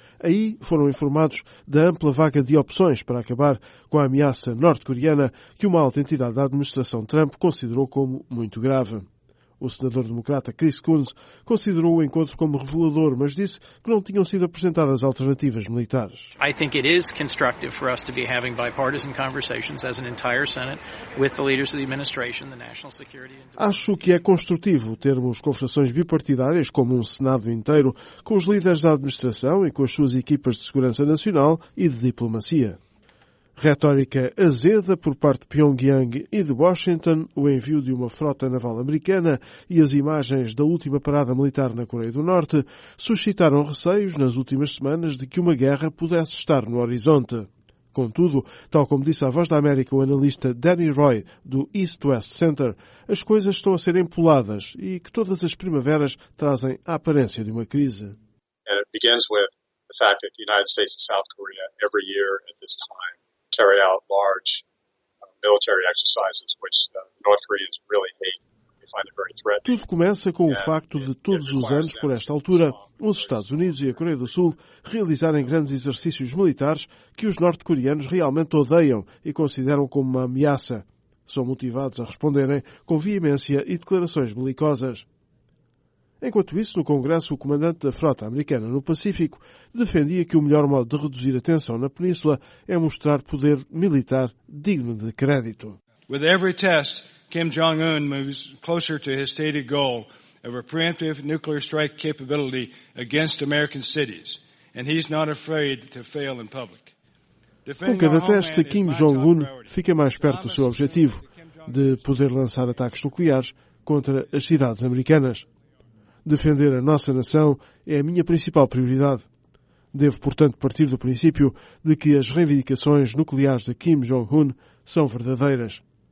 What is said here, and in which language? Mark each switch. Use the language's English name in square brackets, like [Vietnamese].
[Portuguese] Aí foram informados da ampla vaga de opções para acabar com a ameaça norte-coreana que uma alta entidade da administração Trump considerou como muito grave. O senador democrata Chris Coons considerou o encontro como revelador, mas disse que não tinham sido apresentadas alternativas militares. [English] I think it is constructive for us to be having bipartisan conversations as an entire Senate with the leaders of the administration, the national security. [Portuguese] Acho que é construtivo termos conversações bipartidárias como um Senado inteiro com os líderes da administração e com as suas equipas de segurança nacional e de diplomacia. Retórica azeda por parte de Pyongyang e de Washington, o envio de uma frota naval americana e as imagens da última parada militar na Coreia do Norte suscitaram receios nas últimas semanas de que uma guerra pudesse estar no horizonte. Contudo, tal como disse à Voz da América o analista Danny Roy, do East West Center, as coisas estão a ser empoladas e que todas as primaveras trazem a aparência de uma crise. [English] And it begins with the fact that the United States and South Korea every year at this time carry out large military exercises, which North Koreans really hate. They find it very threatening. [Portuguese] Tudo começa com o facto de todos os anos, por esta altura, os Estados Unidos e a Coreia do Sul realizarem grandes exercícios militares que os norte-coreanos realmente odeiam e consideram como uma ameaça. São motivados a responderem com veemência e declarações belicosas. Enquanto isso, no Congresso, o comandante da frota americana no Pacífico defendia que o melhor modo de reduzir a tensão na Península é mostrar poder militar digno de crédito. [English] With every test, Kim Jong-un moves closer to his stated goal of a preemptive nuclear strike capability against American cities, and he's not afraid to fail in public. [Portuguese] Com cada teste, Kim Jong-un fica mais perto do seu objetivo de poder lançar ataques nucleares contra as cidades americanas. Defender a nossa nação é a minha principal prioridade. Devo, portanto, partir do princípio de que as reivindicações nucleares de Kim Jong-un são verdadeiras.